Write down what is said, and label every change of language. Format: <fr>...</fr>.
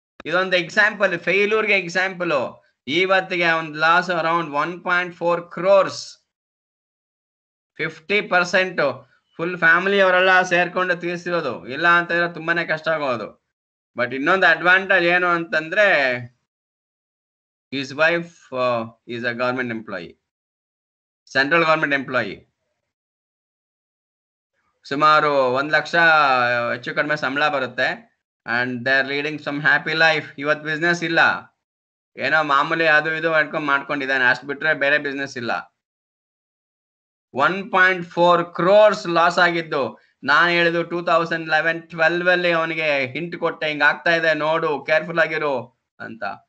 <kn>ಇದೊಂದು example, ಫೇಲೂರ್ಗೆ example. ಇವತ್ತಿಗೆ ಒಂದು loss around 1.4 crores. 50% full family ಅವರೆಲ್ಲ ಸೇರ್ಕೊಂಡು ತೀರಿಸಿರೋದು, ಇಲ್ಲ ಅಂತಂದ್ರೆ ತುಂಬಾನೇ ಕಷ್ಟ ಆಗೋದು. ಬಟ್ ಇನ್ನೊಂದು ಅಡ್ವಾಂಟೇಜ್ ಏನು ಅಂತಂದ್ರೆ</kn> <en>His wife is a government employee, central government employee.</en> <kn>ಸುಮಾರು 100,000 ಹೆಚ್ಚು ಕಡಿಮೆ ಸಂಬಳ ಬರುತ್ತೆ</kn> <en>And they are leading some happy life.</en> <kn>ಇವತ್ ಬಿಸ್ನೆಸ್ ಇಲ್ಲ, ಏನೋ ಮಾಮೂಲಿ ಅದು ಇದು ಮಾಡ್ಕೊಂಡು ಮಾಡ್ಕೊಂಡಿದ್ದಾನೆ, ಅಷ್ಟು ಬಿಟ್ಟರೆ ಬೇರೆ ಬಿಸ್ನೆಸ್ ಇಲ್ಲ. 1.4 crores ಲಾಸ್ ಆಗಿದ್ದು ನಾನು ಹೇಳಿದ್ದು 2011-12 ಅಲ್ಲಿ ಅವನಿಗೆ ಹಿಂಟ್ ಕೊಟ್ಟೆ ಹಿಂಗೆ ಆಗ್ತಾ ಇದೆ ನೋಡು ಕೇರ್ಫುಲ್ ಆಗಿರು ಅಂತ.</kn>